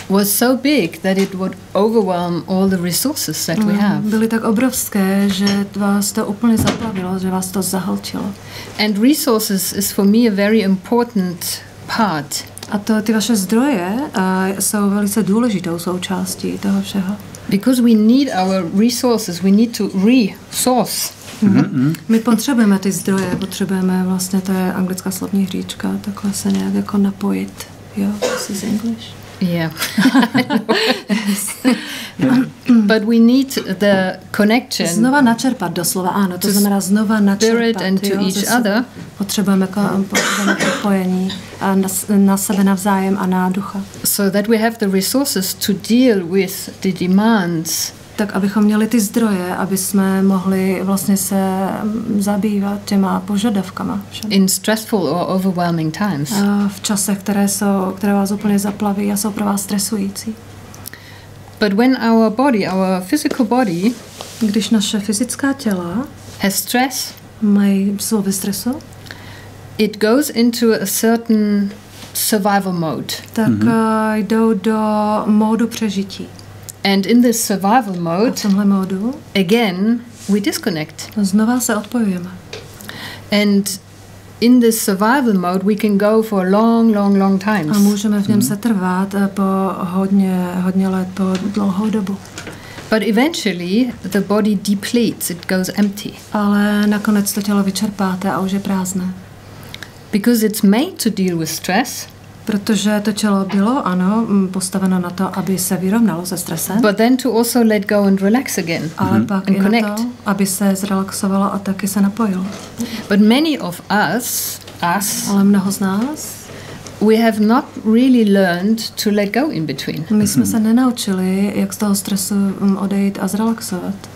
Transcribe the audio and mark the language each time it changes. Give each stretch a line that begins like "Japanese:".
English: was so big that it would overwhelm all the resources that we have.
Czech: Byly tak obrovské, že vás to úplně zaplavilo, že vás to zahltilo.
English: And resources is for me a very important part.
Czech: A to ty vaše zdroje jsou velice důležitou součástí toho všeho.
English: Because we need our resources, we need to resource.
Czech: My potřebujeme ty zdroje, potřebujeme vlastně, to je anglická slovní hříčka, takhle se nějak jako napojit.
English: Jo, this is English. Yeah. But we need the connection.
Czech: Znova načerpat do slova, ano, to znamená znova načerpat.
English: And to each other.
Czech: Potřebujeme propojení na sebe navzájem a na ducha.
English: So that we have the resources to deal with the demands.
Czech: Tak abychom měli ty zdroje, aby jsme mohli vlastně se zabývat těma požadavkama.
English: In stressful or overwhelming times.
Czech: V časech, které vás úplně zaplaví a jsou pro vás stresující.
English: But when our body, our physical body,
Czech: když naše fyzická těla
English: has stress,
Czech: mají jsou ve stresu,
English: it goes into a certain survival mode.
Czech: Tak jdou do módu přežití.
English: And in this survival mode,
Czech: a v tomhle módu,
English: again we disconnect.
Czech: Znova se odpojujeme.
English: And in this survival mode we can go for long, long, long times.
Czech: A můžeme v něm setrvat po hodně, hodně let, po dlouhou dobu.
English: But eventually the body depletes, it goes empty.
Czech: Ale nakonec to tělo vyčerpáte a už je prázdné.
English: Because it's made to deal with stress.
Czech: Protože to tělo bylo, ano, postaveno na to, aby se vyrovnalo se stresem.
English: But then to also let go and relax again.
Czech: Ale pak i na to, aby se zrelaxovalo a taky se napojilo.
English: But many of us,
Czech: ale mnoho z nás,
English: we have not really learned to let go in between.
Czech: My jsme se nenaučili, jak z toho stresu odejít a zrelaxovat.